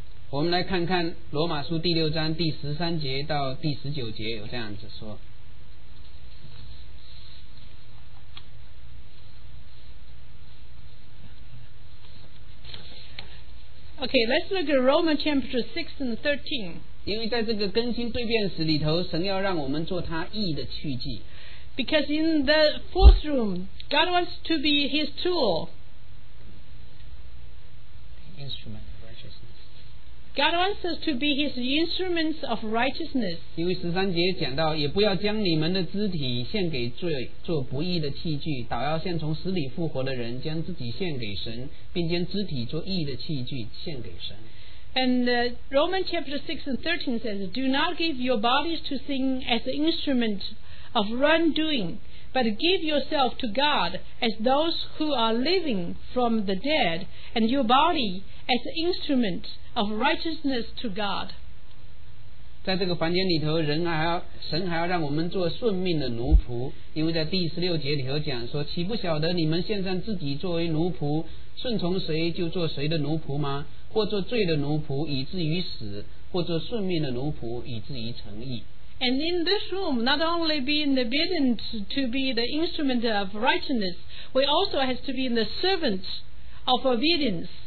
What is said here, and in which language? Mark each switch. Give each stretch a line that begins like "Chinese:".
Chinese: 我们来看看罗马书第六章第十三节到第十九节有这样子说。
English: Okay, let's look at Romans chapter 6 and 13.
Chinese: 因为在这个更新对变史里头，神要让我们做他义的器具。
English: Because in the fourth room, God wants to be his tool. Instrument of righteousness. God wants us to be his instruments of righteousness.
Chinese: 因为十三节讲到，也不要将你们的肢体献给罪，做不义的器具，倒要像从死里复活的人，将自己献给神，并将肢体做义的器具献给神。
English: And Romans chapter 6 and 13 says, Do not give your bodies to sin as an instrument of wrongdoing, but give yourself to God as those who are living from the dead, and your body as an instrument of righteousness to God.
Chinese: 在这个房间里头，神还要让我们做顺命的奴仆，因为在第十六节里头讲说，岂不晓得你们献上自己作为奴仆，顺从谁就做谁的奴仆吗？或做罪的奴仆以至于死，或做顺命的奴仆以至于成义。
English: And in this room, not only being obedient to be the instrument of righteousness, we also have to be the servant of obedience.